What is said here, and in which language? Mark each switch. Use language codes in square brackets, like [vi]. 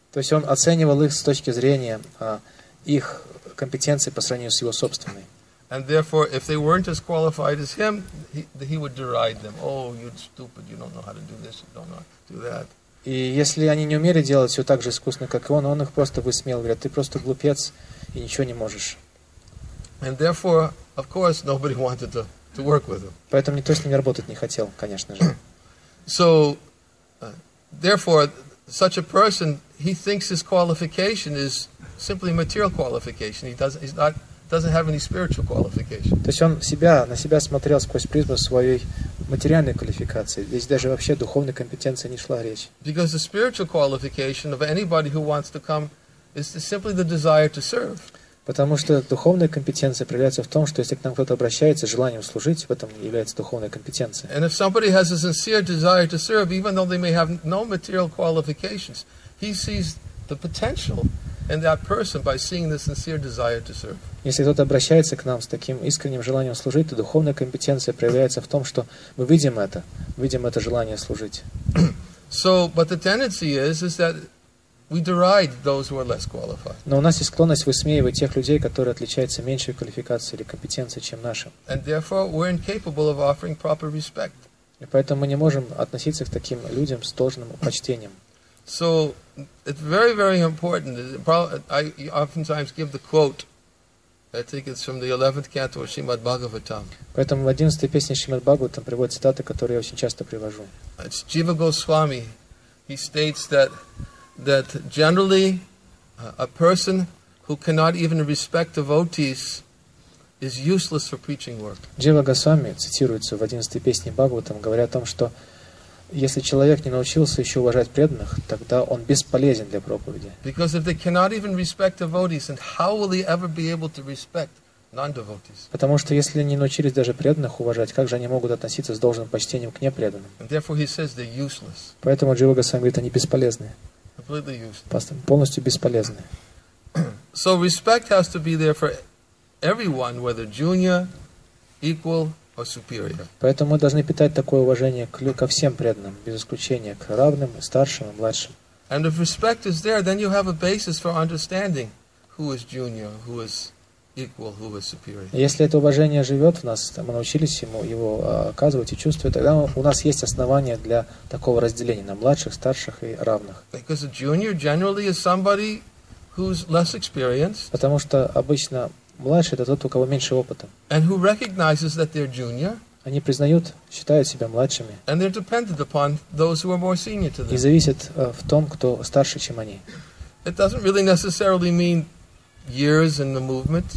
[ru] То есть он оценивал их с точки зрения их компетенции по сравнению с его собственной. [en] And therefore, if they weren't as qualified as him, he would deride them. Oh, you're stupid! You don't know how to do this. You don't know how to do that. [ru] И если они не умели делать все так же искусно, как и он их просто высмеял, говорит, ты просто глупец и ничего не можешь. Поэтому никто с ними работать не хотел, конечно же. [en] So, therefore, such a person, he thinks his qualification is simply material qualification. He doesn't have any spiritual qualification. [ru] То есть он на себя смотрел сквозь призму своей материальной квалификации. Здесь даже вообще духовной компетенции не шла речь. [en] Because the spiritual qualification of anybody who wants to come is simply the desire to serve. [ru] Потому что духовная компетенция проявляется в том, что если к нам кто-то обращается с желанием служить, в этом является духовная компетенция. [en] And if somebody has a sincere desire to serve, even though they may have no material qualifications, he sees the potential in that person by seeing the sincere desire to serve. [ru] Если кто-то обращается к нам с таким искренним желанием служить, то духовная компетенция проявляется в том, что мы видим это желание служить. [en] So, but the tendency is that we deride those who are less qualified. [ru] Но у нас есть склонность высмеивать тех людей, которые отличаются меньшей квалификацией или компетенцией, чем наши. [en] And therefore, we're incapable of offering proper respect. [ru] И поэтому мы не можем относиться к таким людям с должным почтением. [en] So, it's very, very important. I oftentimes give the quote. I think it's from the 11th canto of Srimad Bhagavatam. [ru] Поэтому в 11-й песне Шримад Бхагаватам приводят цитаты, которые я очень часто привожу. [en] It's Jiva Goswami. He states that generally a person who cannot even respect devotees is useless for preaching work. [ru] Jiva Goswami цитируется в 11-й песне Бхагаватам, говоря о том, что если человек не научился еще уважать преданных, тогда он бесполезен для проповеди. [en] Because if they cannot even respect devotees, then how will they ever be able to respect non-devotees? [ru] Потому что если не научились даже преданных уважать, как же они могут относиться с должным почтением к непреданным? [en] And therefore he says they're useless. [ru] Поэтому Джива Госвами говорит, они бесполезны. [en] Completely useless. [ru] Просто полностью бесполезны. [en] So respect has to be there for everyone, whether junior, equal. [ru] Поэтому мы должны питать такое уважение ко всем преданным, без исключения, к равным, старшим и младшим. [en] And if respect is there, then you have a basis for understanding who is junior, who is equal, who is superior. [ru] Если это уважение живет в нас, мы научились его оказывать и чувствовать, тогда у нас есть основания для такого разделения на младших, старших и равных. [en] Because a junior generally is somebody who's less experienced. [ru] Потому что обычно младший — это тот, у кого меньше опыта. [en] And who recognizes that they're junior, [ru] они признают, считают себя младшими. [en] And they're dependent upon those who are more senior to them. [ru] И зависят в том, кто старше, чем они. [en] It doesn't really necessarily mean years in the movement.